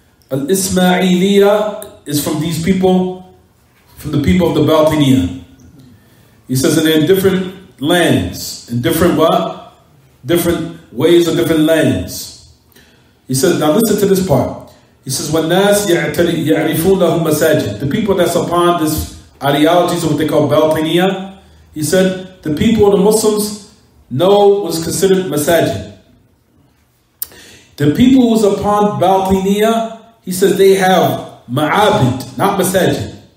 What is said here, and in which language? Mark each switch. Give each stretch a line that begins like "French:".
English: Al-Ismailiyya is from these people, from the people of the Baatiniya. He says and they're in different lands, in different what? Different ways or different lands. He says, now listen to this part. He says,
Arabic: وَالنَّاس يَعْرِفُونَ لَهُمْ مَسَاجِدٍ.
English: The people that's upon this ideology, so what they call Baatiniyya, he said, the people of the Muslims know what's considered masajid. The people who's upon Baatiniyya, he says, they have ma'abid, not masajid.